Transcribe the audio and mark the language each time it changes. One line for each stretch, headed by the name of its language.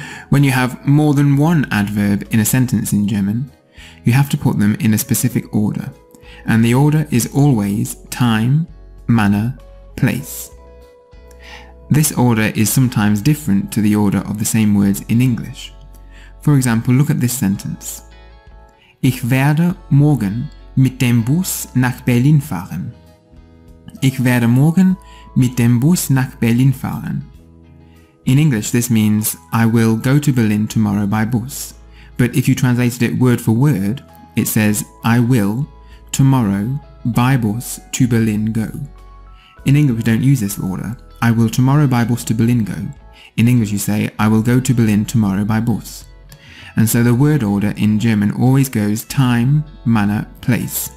English: When you have more than one adverb in a sentence in German, you have to put them in a specific order, and the order is always time, manner, place. This order is sometimes different to the order of the same words in English. For example, look at this sentence.
German: Ich werde morgen mit dem Bus nach Berlin fahren. Ich werde morgen mit dem Bus nach Berlin fahren.
English: In English, this means I will go to Berlin tomorrow by bus. But if you translated it word for word, it says I will tomorrow by bus to Berlin go. In English, we don't use this order. I will tomorrow by bus to Berlin go. In English, you say I will go to Berlin tomorrow by bus. And so the word order in German always goes time, manner, place.